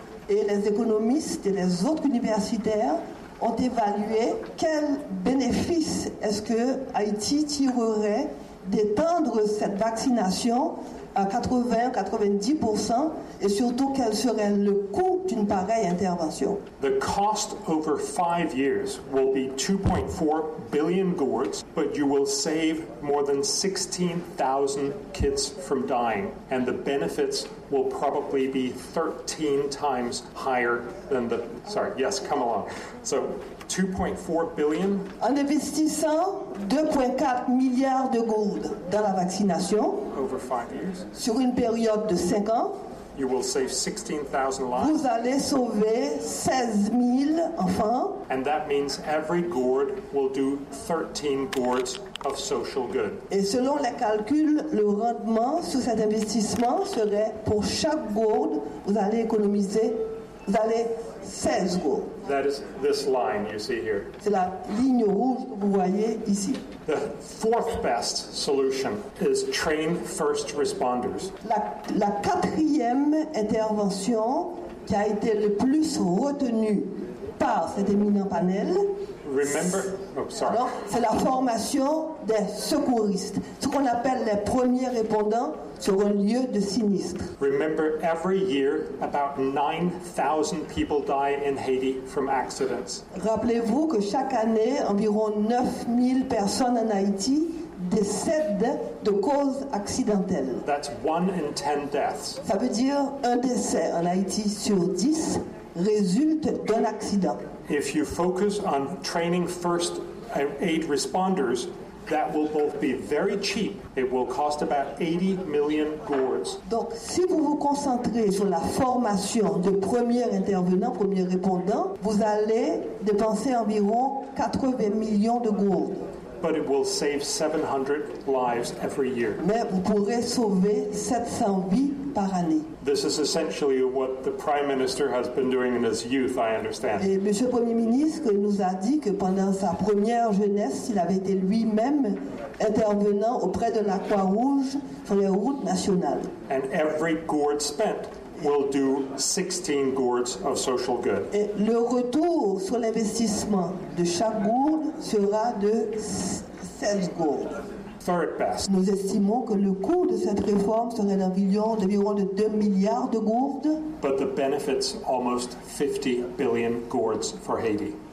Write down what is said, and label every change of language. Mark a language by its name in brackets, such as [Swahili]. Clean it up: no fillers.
[French] Et les économistes et les autres universitaires ont évalué quels bénéfices est-ce que Haïti tirerait d'étendre cette vaccination à 80-90% et surtout quel serait le coût d'une pareille intervention. [English] The cost over 5 years will be 2.4 billion gourdes, but you will save more than 16,000 kids from dying and the benefits will probably be 13 times higher than the So 2.4 billion [French] en investissant 2.4 milliards de gourdes dans la vaccination [English] over 5 years [French] sur une période de 5 ans [English] you will save 16,000 lives [French] vous allez sauver 16,000 enfants [English] and that means every gourd will do 13 gourds of social good [French] et selon les calculs le rendement sur cet investissement serait pour chaque gourde vous allez économiser vous allez 16 gourdes. [English] That is this line you see here. [French] C'est la ligne rouge que vous voyez ici. [English] The fourth best solution is train first responders. [French] La quatrième intervention qui a été le plus retenue par cet éminent panel. [English] Remember, [French] Alors, c'est la formation des secouristes, ce qu'on appelle les premiers répondants sur un lieu de sinistre. [English] Remember, every year, about 9,000 people die in Haiti from accidents. [French] Rappelez-vous que chaque année, environ 9,000 personnes en Haïti décèdent de causes accidentelles. [English] That's one in 10 deaths. [French] Ça veut dire un décès en Haïti sur 10 résulte d'un accident. [English] If you focus on training first aid responders, that will both be very cheap. It will cost about 80 million gourdes. [French] Donc, si vous vous concentrez sur la formation de premiers intervenants, premiers répondants, vous allez dépenser environ 80 millions de gourdes. [English] But it will save 700 lives every year. [French] Mais vous pourrez sauver 700 vies par année. [English] This is essentially what the Prime Minister has been doing in his youth, I understand. [French] Et Monsieur le Premier ministre nous a dit que pendant sa première jeunesse, il avait été lui-même intervenant auprès de la Croix-Rouge sur les routes nationales. [English] And every gourd spent will do 16 gourds of social good. [French] Et le retour sur l'investissement de chaque gourde sera de 16 gourdes. [English] Third best. [French] Nous estimons que le coût de cette réforme serait d'environ de 2 milliards de gourdes. [English] But the benefits almost 50 billion gourds for Haiti.